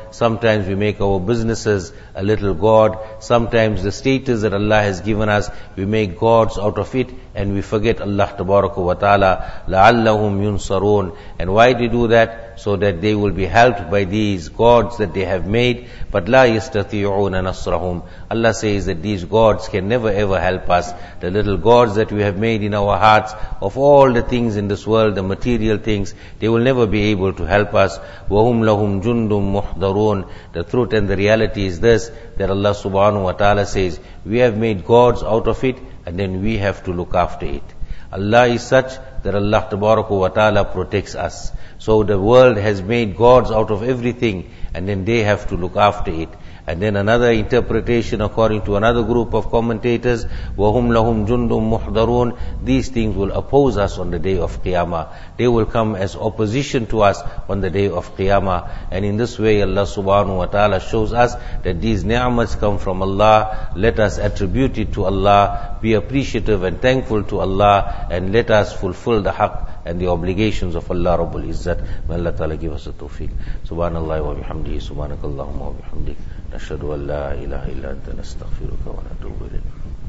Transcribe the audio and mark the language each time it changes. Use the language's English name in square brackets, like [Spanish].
[English] Sometimes we make our businesses a little god. Sometimes the status that Allah has given us, we make gods out of it, and we forget Allah tabaraka wa ta'ala. [Arabic] لَعَلَّهُمْ يُنصَرُونَ. [English] And why they do that? So that they will be helped by these gods that they have made. But [Arabic] لَا يَسْتَطِيعُونَ نَصْرَهُمْ. [English] Allah says that these gods can never ever help us. The little gods that we have made in our hearts, of all the things in this world, the material things, they will never be able to help us. [Arabic] وَهُمْ لَهُمْ جُنْدٌ مُحْضَرُونَ. [English] The truth and the reality is this, that Allah subhanahu wa ta'ala says, we have made gods out of it, and then we have to look after it. Allah is such that Allah tabaraka wa ta'ala protects us. So the world has made gods out of everything, and then they have to look after it. And then another interpretation according to another group of commentators, [Arabic] وَهُمْ لَهُمْ جُنْدٌ مُحْضَرُونَ. [English] These things will oppose us on the day of Qiyamah. They will come as opposition to us on the day of Qiyamah. And in this way Allah subhanahu wa ta'ala shows us that these ni'mats come from Allah. Let us attribute it to Allah, be appreciative and thankful to Allah, and let us fulfill the haqq and the obligations of Allah Rabbul Izzat. May Allah Ta'ala give us a tawfiq. [Arabic] Subhanallah wa bihamdihi, subhanakallahumma wa bihamdihi. نشهد أن لا إله إلا أنت نستغفرك ونتوب إليك.